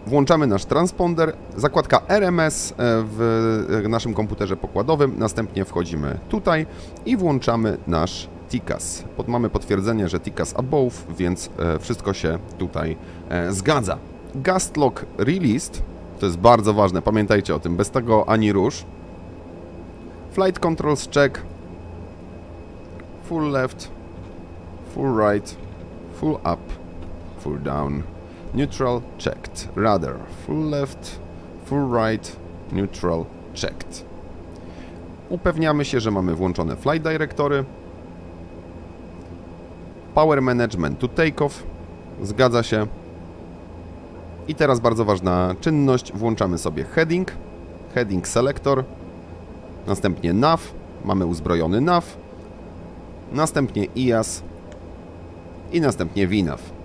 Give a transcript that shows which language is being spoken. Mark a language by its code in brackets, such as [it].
[pl] Włączamy nasz transponder, zakładka RMS w naszym komputerze pokładowym. Następnie wchodzimy tutaj i włączamy nasz TCAS. Mamy potwierdzenie, że TCAS above, więc wszystko się tutaj zgadza. [en] Gust lock released, [pl] to jest bardzo ważne, pamiętajcie o tym, bez tego ani rusz. [en] Flight controls check, full left, full right, full up, full down, neutral checked, rudder, full left, full right, neutral checked. [pl] Upewniamy się, że mamy włączone [en] flight directory, power management to take off, [pl] zgadza się. I teraz bardzo ważna czynność, włączamy sobie heading, heading selector. Następnie NAV, mamy uzbrojony NAV, następnie IAS i następnie VNAV.